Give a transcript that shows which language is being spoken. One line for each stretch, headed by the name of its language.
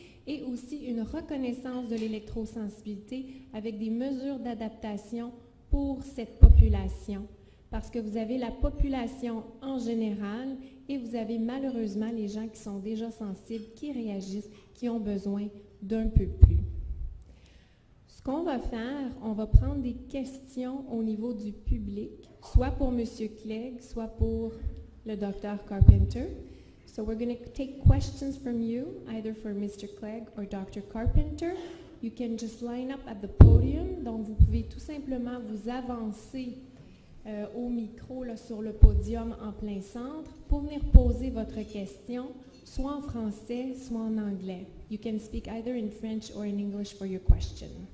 French: et aussi une reconnaissance de l'électrosensibilité avec des mesures d'adaptation pour cette population, parce que vous avez la population en général et vous avez malheureusement les gens qui sont déjà sensibles, qui réagissent, qui ont besoin d'un peu plus. Ce qu'on va faire, on va prendre des questions au niveau du public, soit pour M. Clegg, soit pour le Dr. Carpenter.
English: So we're going to take questions from you, either for Mr. Clegg or Dr. Carpenter. You can just line up at the podium.
French: Donc, vous pouvez tout simplement vous avancer au micro là, sur le podium en plein centre pour venir poser votre question, soit en français, soit en anglais.
English: You can speak either in French or in English for your question.